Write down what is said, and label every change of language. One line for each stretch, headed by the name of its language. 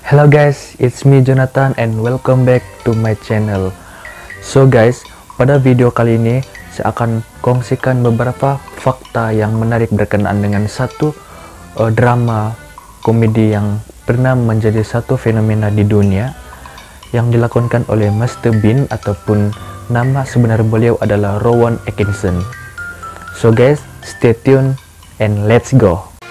English: Hello guys, it's me Jonathan and welcome back to my channel. So guys,
Malay: pada video kali ini saya akan kongsikan beberapa fakta yang menarik berkenaan dengan satu drama komedi yang pernah menjadi satu fenomena di dunia yang dilakonkan oleh Mr. Bean ataupun nama sebenar beliau adalah Rowan Atkinson.
English: So guys, stay tuned and let's go.